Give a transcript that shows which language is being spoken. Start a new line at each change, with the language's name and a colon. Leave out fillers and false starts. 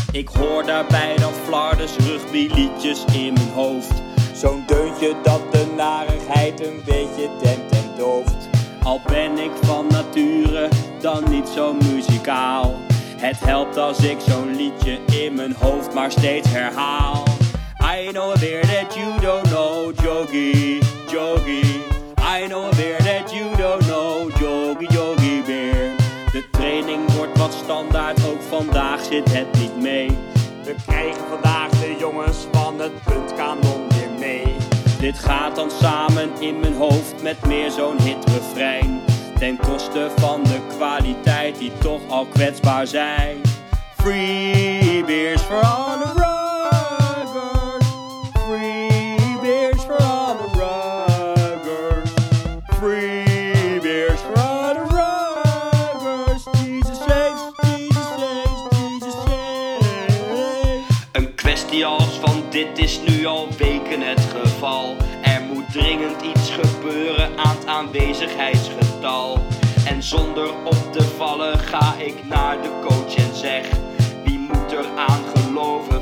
Dutch: Ik hoor daarbij dan flardes rugbyliedjes in mijn hoofd. Zo'n deuntje dat de narigheid een beetje dempt en dooft. Al ben ik van nature dan niet zo muzikaal. Het helpt als ik zo'n liedje in mijn hoofd maar steeds herhaal.
English: I know a beer that you don't know, Jogi, Jogi. I know a beer that you don't know, Jogi, Jogi beer.
Dutch: De training wordt wat standaard, ook vandaag zit het niet mee. We krijgen vandaag de jongens van het puntkanon weer mee. Dit gaat dan samen in mijn hoofd met meer zo'n hitrefrein. Ten koste van de kwaliteit die toch al kwetsbaar zijn.
English: Free beers for all the ruggers. Free beers for all the ruggers. Free beers for all the ruggers. Jesus saves, Jesus saves, Jesus saves.
Dutch: Een kwestie als van dit is nu al weken het geval. Er moet dringend iets gebeuren aan het aanwezigheidsgedrag. En zonder op te vallen ga ik naar de coach en zeg: wie moet er aan geloven?